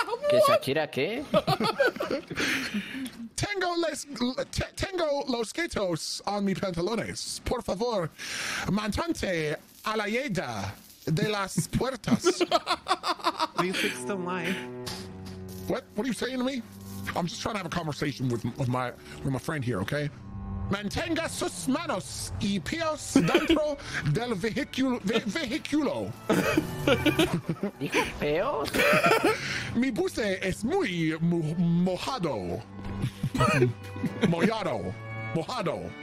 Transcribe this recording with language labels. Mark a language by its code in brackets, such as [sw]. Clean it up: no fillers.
[es] ¿Qué Shakira qué? Tengo los gatos on mi pantalones. Por favor, mantente a la llave de las puertas. [en] You fixed the line. What? What are you saying to me? I'm just trying to have a conversation with my friend here, okay? [es] Mantenga sus manos y pies dentro del vehículo. Feo. Mi buce es muy mojado. Mojado. Mojado.